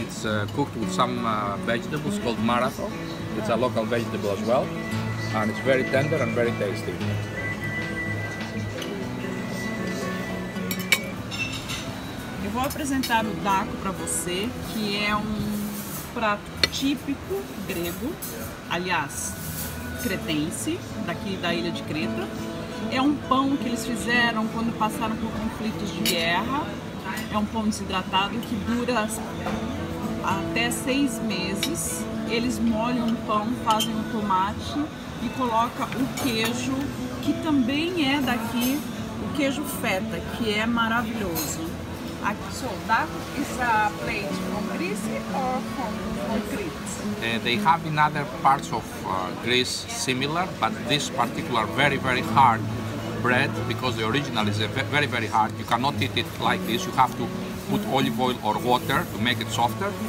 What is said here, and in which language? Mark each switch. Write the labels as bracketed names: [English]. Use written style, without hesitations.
[English] It's cooked with some vegetables called marato. It's a local vegetable as well. And it's very tender and very tasty. [Portuguese] Eu vou apresentar o daco para você, que é um prato típico grego. Aliás, cretense, daqui da ilha de Creta. É um pão que eles fizeram quando passaram por conflitos de guerra. É um pão desidratado que dura até 6 meses. Eles molham o pão, fazem o tomate e colocam o queijo, que também é daqui o queijo feta, que é maravilhoso. [English] So, that is a plate from Greece or from Crete? They have in other parts of Greece similar, but this particular very, very hard bread, because the original is a very, very hard. You cannot eat it like this. You have to put olive oil or water to make it softer.